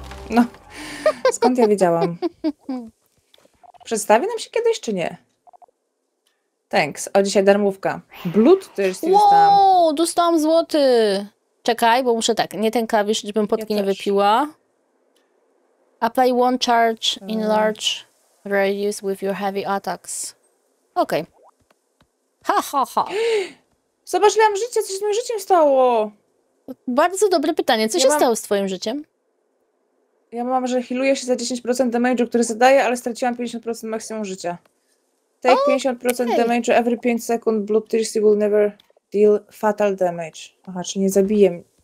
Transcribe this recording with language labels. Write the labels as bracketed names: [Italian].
[Polish] No. Skąd ja wiedziałam? Przedstawi nam się kiedyś, czy nie? Thanks. O, dzisiaj darmówka. Blut też jest. Wow, dostałam złoty. Czekaj, bo muszę tak, nie ten klawisz, żebym potki nie wypiła. [English] Apply one charge in large radius with your heavy attacks. Okej. Okay. Ha, ha, ha. [Polish] Zobaczyłam życie, co się z moim życiem stało? Bardzo dobre pytanie. Co ja się stało z twoim życiem? Ja mam, że healuję się za 10% damage'u, który zadaję, ale straciłam 50% maksimum życia. [English] Take 50% damage'u every 5 sekund, blood thirsty will never deal fatal damage. [Polish] Aha, czyli nie zabiję.